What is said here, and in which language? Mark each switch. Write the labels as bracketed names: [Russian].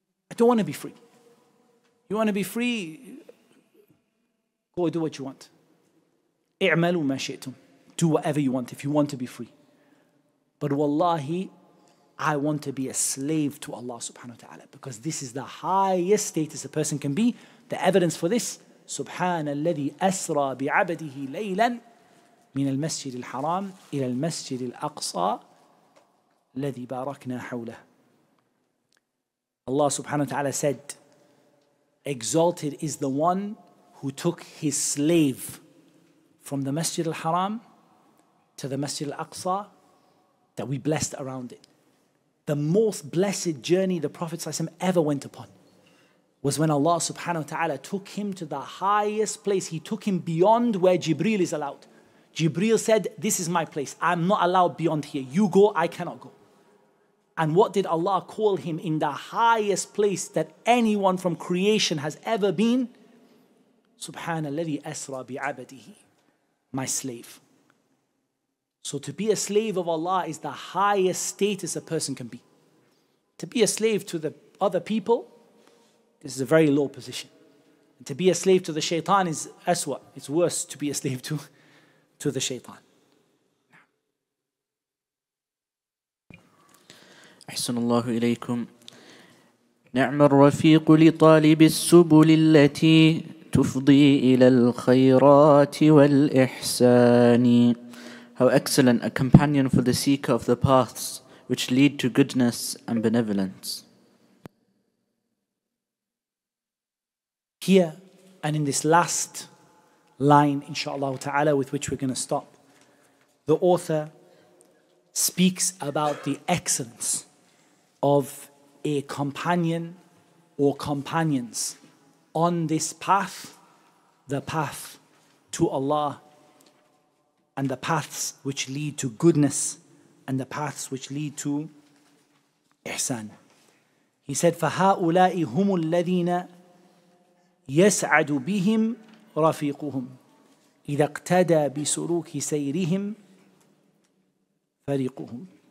[English] I don't want to be free. You want to be free? Go do what you want. [Arabic] اعملوا ما شئتم. [English] Do whatever you want if you want to be free. But wallahi, I want to be a slave to Allah subhanahu wa ta'ala, because this is the highest status a person can be. The evidence for this, [Arabic] سُبْحَانَ الَّذِي أَسْرَى بِعَبَدِهِ لَيْلًا مِنَ الْمَسْجِدِ الْحَرَامِ إِلَى الْمَسْجِدِ الْأَقْصَى الَّذِي بَارَكْنَا حَوْلَهُ. [English] Allah subhanahu wa ta'ala said, exalted is the one who took his slave from the Masjid al-Haram to the Masjid al-Aqsa that we blessed around it. The most blessed journey the Prophet ever went upon. was when Allah subhanahu wa ta'ala took him to the highest place. He took him beyond where Jibreel is allowed. Jibreel said, this is my place. I'm not allowed beyond here. You go, I cannot go. And what did Allah call him in the highest place that anyone from creation has ever been? Subhanalladhi asra bi'abadihi, my slave. So to be a slave of Allah is the highest status a person can be. To be a slave to the other people, this is a very low position. And to be a slave to the shaitan is aswa. It's worse to be a slave to the shaitan. [Arabic] أحسن الله إليكم نعم الرفيق لطالب السبل التي تفضي إلى الخيرات والإحسان. [English] How excellent a companion for the seeker of the paths which lead to goodness and benevolence. Here and in this last line, inshallah ta'ala, with which we're going to stop, the author speaks about the excellence of a companion or companions on this path, the path to Allah, and the paths which lead to goodness, and the paths which lead to ihsan. He said, [Arabic] فَهَٰؤُلَاءِ هُمُ الَّذِينَ يَسْعَدُ بِهِمْ رَفِيقُهُمْ إِذَا اقْتَدَى بِسُلُوكِ سَيْرِهِمْ فَرِيقُهُمْ.